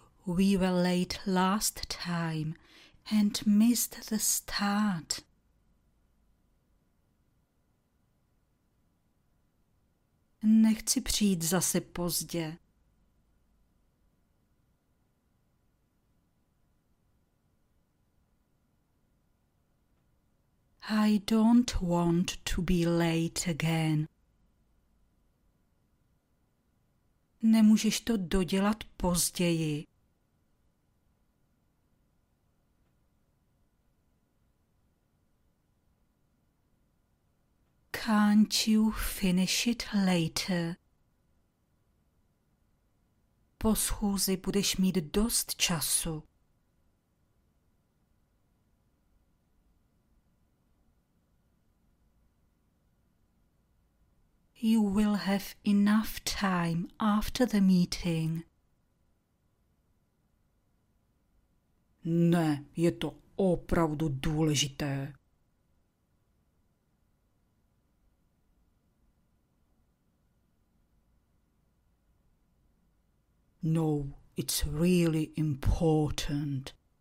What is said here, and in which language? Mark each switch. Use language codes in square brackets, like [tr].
[en] We were late last time and missed the start. [cs] Nechci přijít zase pozdě. [en] I don't want to be late again. [cs] Nemůžeš to dodělat později. [en] Can't you finish it later? [cs] Po schůzi budeš mít dost času. [en] You will have enough time after the meeting. [cs] Ne, je to opravdu důležité. [en] No, it's really important.